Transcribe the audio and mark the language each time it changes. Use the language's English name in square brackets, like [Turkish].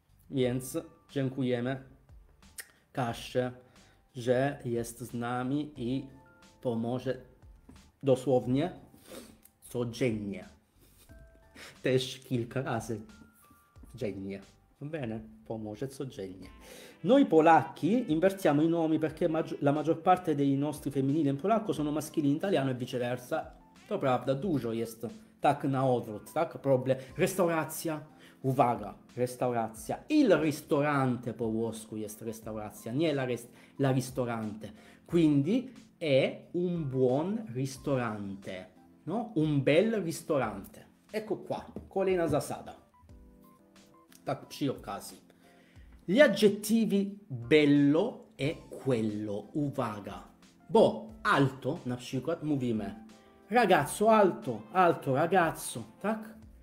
[Polish] Więc dziękujemy Kasie, że jest z nami i pomoże dosłownie codziennie. Też kilka razy dziennie. Bene, pomoce codziennie. [Italian] Noi polacchi invertiamo i nomi perché la maggior parte dei nostri femminili in polacco sono maschili in italiano e viceversa. [Polish] To prawda, dużo jest tak na odwrót, tak? Problem. Restauracja. Uwaga, restauracja. Il ristorante po włosku jest restauracja, nie la ristorante. [Italian] Quindi è un buon ristorante, no? Un bel ristorante. Ecco qua, [Polish] kolejna zasada. Tak, przy okazji. [Italian] Gli aggettivi bello e quello, uwaga. [Polish] Bo alto, na przykład, mówimy [Italian] ragazzo alto, alto ragazzo, [Polish] tak?